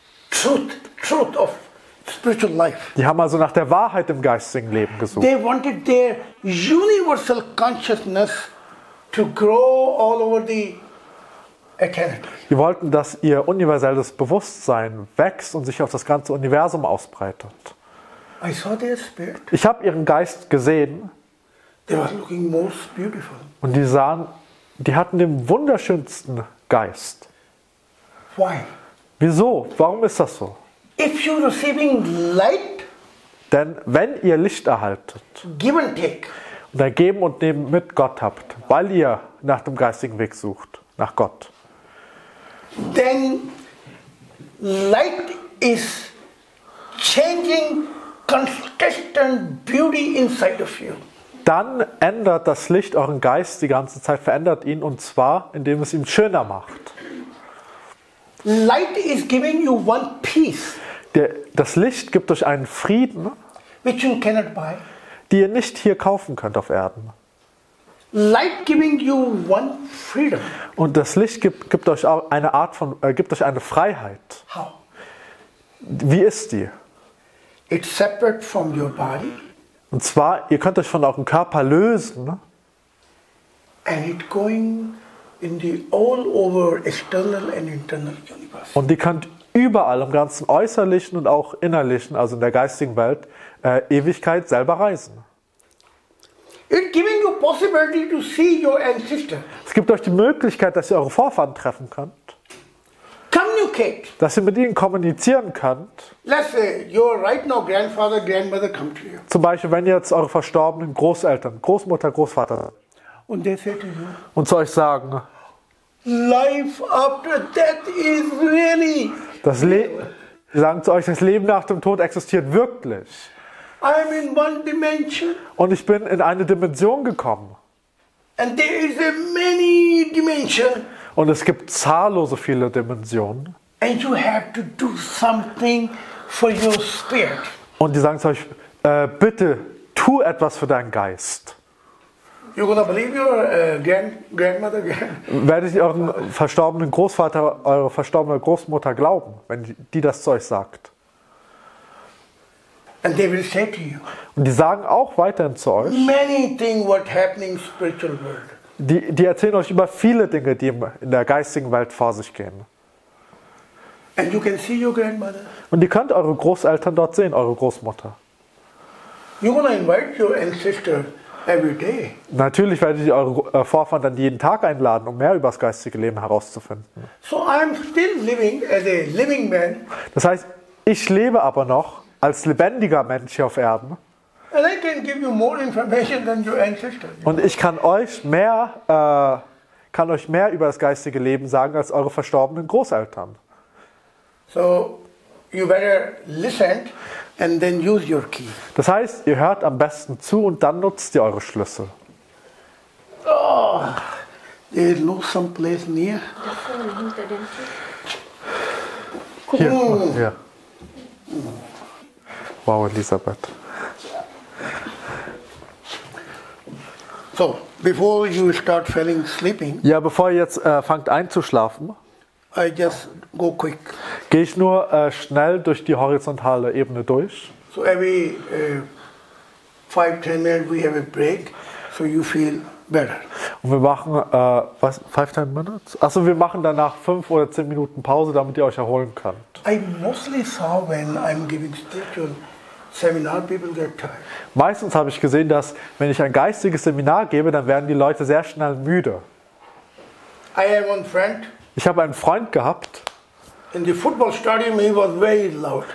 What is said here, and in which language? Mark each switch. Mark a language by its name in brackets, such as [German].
[English] Truth of spiritual life. [German] Die haben also nach der Wahrheit im geistigen Leben gesucht. [English] They wanted their universal consciousness to grow all over the eternity. [German] Die wollten, dass ihr universelles Bewusstsein wächst und sich auf das ganze Universum ausbreitet. [English] I saw their spirit. [German] Ich habe ihren Geist gesehen. [English] They were looking most beautiful. [German] Und die sahen, die hatten den wunderschönsten Geist. [English] Why? [German] Wieso? Warum ist das so? [English] If you're receiving light, [German] denn wenn ihr Licht erhaltet, [English] give and take, [German] und ein Geben und Nehmen mit Gott habt, weil ihr nach dem geistigen Weg sucht, nach Gott, [English] then light is changing consistent beauty inside of you. [German] Dann ändert das Licht euren Geist die ganze Zeit, verändert ihn, und zwar, indem es ihn schöner macht. [English] Light is giving you one peace. [German] Das Licht gibt euch einen Frieden, [English] which you cannot buy, [German] die ihr nicht hier kaufen könnt auf Erden. [English] Light giving you one freedom. [German] Und das Licht gibt euch auch eine Art von gibt euch eine Freiheit. [English] How? [German] Wie ist die? [English] It's separate from your body. [German] Und zwar, ihr könnt euch von eurem Körper lösen. [English] And it going in the all over external and internal universe. [German] Und ihr könnt überall im ganzen äußerlichen und auch innerlichen, also in der geistigen Welt, Ewigkeit selber reisen. [English] It giving you possibility to see your ancestor. [German] Es gibt euch die Möglichkeit, dass ihr eure Vorfahren treffen könnt. [English] Communicate. [German] Dass ihr mit ihnen kommunizieren könnt. [English] Let's say your right now grandfather, grandmother come to you. [German] Zum Beispiel, wenn jetzt eure verstorbenen Großeltern, Großmutter, Großvater und der fällt dir und zu euch sagen, [English] life after death is really. [German] Das sagen zu euch, das Leben nach dem Tod existiert wirklich. [English] I'm in one dimension. [German] Und ich bin in eine Dimension gekommen. [English] And there is a many dimension. [German] Und es gibt zahllose viele Dimensionen. [English] And you have to do something for your spirit. [German] Und die sagen zu euch, bitte tu etwas für deinen Geist. [English] You're gonna believe your grandmother again? [German] Werdet ihr euren verstorbenen Großvater, eure verstorbene Großmutter glauben, wenn die das zu euch sagt? [English] And they will say to you, [German] und die sagen auch weiterhin zu euch, [English] many things what happening in spiritual world. [German] Die erzählen euch über viele Dinge, die in der geistigen Welt vor sich gehen. [English] And you can see your grandmother. [German] Und ihr könnt eure Großeltern dort sehen, eure Großmutter. [English] You're gonna invite your ancestor. Every day. [German] Natürlich werdet ihr eure Vorfahren dann jeden Tag einladen, um mehr über das geistige Leben herauszufinden. [English] So I'm still living as a living man. [German] Das heißt, ich lebe aber noch als lebendiger Mensch hier auf Erden. [English] And I can give you more information than your ancestors. [German] Und ich kann euch mehr über das geistige Leben sagen als eure verstorbenen Großeltern. [English] So you better listen. And then use your key. [German] Das heißt, ihr hört am besten zu und dann nutzt ihr eure Schlüssel. [English] Oh, there's no some place near. [German] Hier, hier. [English] Wow, Elisabeth. So, before you start falling sleeping. [German] Ja, bevor ihr jetzt fangt einzuschlafen. [English] I just go quick. [German] Gehe ich nur schnell durch die horizontale Ebene durch. [English] So every 5-10 minutes we have a break, so you feel better. [German] Und wir machen 5-10 minutes? Achso, wir machen danach 5 oder 10 Minuten Pause, damit ihr euch erholen könnt. [English] I mostly saw when I'm giving spiritual seminar, people get tired. [German] Meistens habe ich gesehen, dass wenn ich ein geistiges Seminar gebe, dann werden die Leute sehr schnell müde. [English] I have one friend. [German] Ich habe einen Freund gehabt. [English] In the football stadium he was very loud.